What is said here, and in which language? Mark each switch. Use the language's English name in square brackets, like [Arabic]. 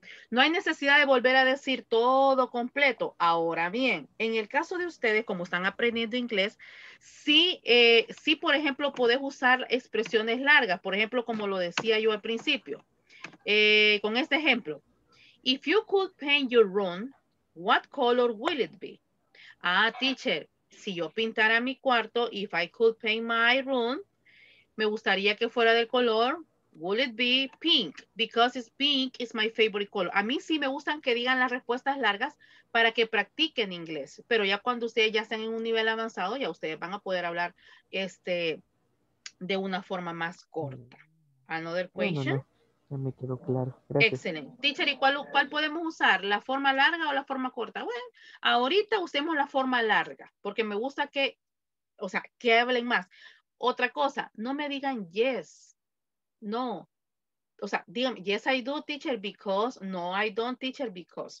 [Spanish] No hay necesidad de volver a decir todo completo. Ahora bien, en el caso de ustedes, como están aprendiendo inglés, sí, por ejemplo, podés usar expresiones largas. Por ejemplo, como lo decía yo al principio, con este ejemplo. [English] If you could paint your room, what color will it be? [Spanish] Ah, teacher, si yo pintara mi cuarto, [English] if I could paint my room, [Spanish] me gustaría que fuera del color... [English] Will it be pink? Because it's pink is my favorite color. [Spanish] A mí sí me gustan que digan las respuestas largas para que practiquen inglés. Pero ya cuando ustedes ya estén en un nivel avanzado, ya ustedes van a poder hablar de una forma más corta. [English] Another question. [Spanish] No. Ya me quedó claro. Excelente. Teacher, ¿y cuál podemos usar? ¿La forma larga o la forma corta? Bueno, ahorita usemos la forma larga porque me gusta que, o sea, que hablen más. Otra cosa, no me digan yes. No, o sea, dígame, [English] yes, I do, teacher, because, no, I don't, teacher, because.